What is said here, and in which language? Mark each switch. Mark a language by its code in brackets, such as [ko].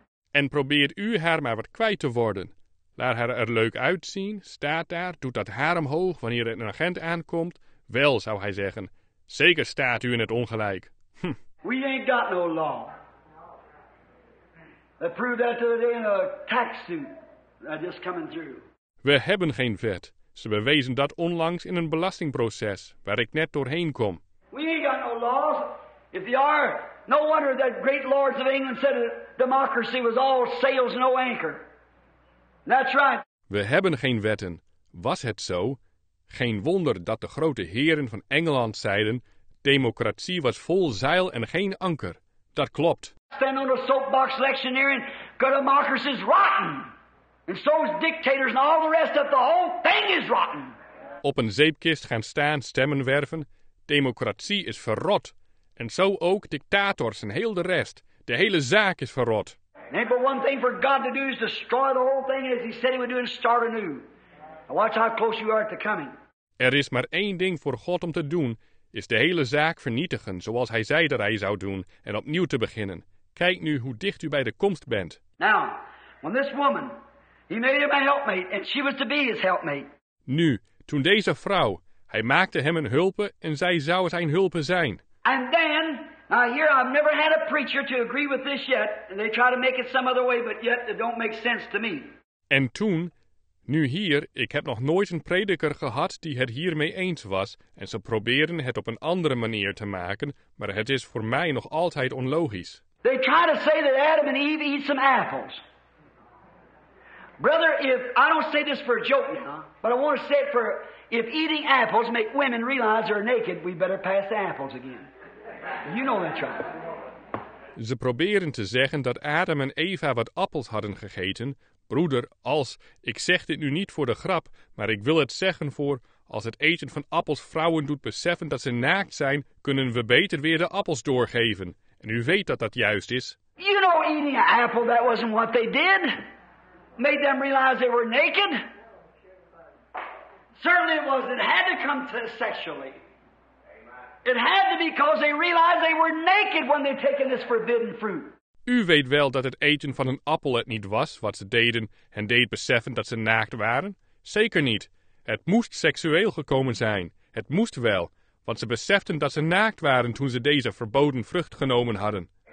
[nl] En probeert u haar maar wat kwijt te worden. Laat haar er leuk uitzien, staat daar, doet dat haar omhoog wanneer er een agent aankomt. Wel, zou hij zeggen, zeker staat u in het ongelijk. [en] We ain't got no law. They proved that today in a tax suit just coming through. [nl] We hebben geen wet. Ze bewezen dat onlangs in een belastingproces waar ik net doorheen kom. [en] We ain't got no laws. If they are, no wonder that great lords of England said that democracy was all sails, no anchor. That's right. [nl] We hebben geen wetten. Was het zo? Geen wonder dat de grote heren van Engeland zeiden, democratie was vol zeil en geen anker. Dat klopt. [en] Stand on a soapbox lectionering, because democracy is rotten. And so is dictators and all the rest of the whole thing is rotten. [nl] Op een zeepkist gaan staan, stemmen werven. Democratie is verrot. En zo ook dictators en heel de rest. De hele zaak is verrot. [en] Ain't but one thing for God to do is destroy the whole thing as he said he would do and start anew. Now watch how close you are to coming. [nl] Er is maar één ding voor God om te doen, is de hele zaak vernietigen zoals hij zei dat hij zou doen en opnieuw te beginnen. Kijk nu hoe dicht u bij de komst bent. [en] Now, when this woman, he made him a helpmate and she was to be his helpmate. [nl] Nu, toen deze vrouw, hij maakte hem een hulpe en zij zou zijn hulpe zijn. [en] And then, now here I've never had a preacher to agree with this yet and they try to make it some other way but yet it don't make sense to me. [nl] En toen, nu hier, ik heb nog nooit een prediker gehad die het hiermee eens was en ze proberen het op een andere manier te maken, maar het is voor mij nog altijd onlogisch. [en] They try to say that Adam and Eve eat some apples. Brother, if I don't say this for a joke now, but I want to say it for if eating apples make women realize they're naked, we better pass the apples again. You know that, John. [nl] Ze proberen te zeggen dat Adam en Eva wat appels hadden gegeten. Broeder, als, ik zeg dit nu niet voor de grap, maar ik wil het zeggen voor, als het eten van appels vrouwen doet beseffen dat ze naakt zijn, kunnen we beter weer de appels doorgeven. En u weet dat dat juist is. [en] You know, eating an apple, that wasn't what they did. Made them realize they were naked. Certainly it was. It had to come to sexually. It had to be because they realized they were naked when they'd taken this forbidden fruit. [nl] U weet wel dat het eten van een appel het niet was wat ze deden en deed beseffen dat ze naakt waren? Zeker niet. Het moest seksueel gekomen zijn. Het moest wel, want ze beseften dat ze naakt waren toen ze deze verboden vrucht genomen hadden.